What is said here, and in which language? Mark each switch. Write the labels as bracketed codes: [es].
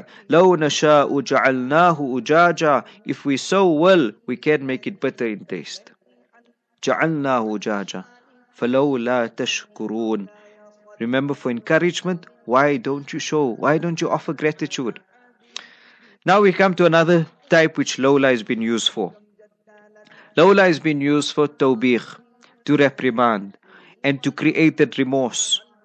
[ar] لو نشاء جعلناه أجاجا, [en] if we so will, we can make it better in taste. [ar] جعلناه أجاجا فلولا تشكرون. [en] Remember, for encouragement, why don't you show, why don't you offer gratitude? Now we come to another type which لولا has been used for. لولا has been used for توبيخ, to reprimand and to create that remorse.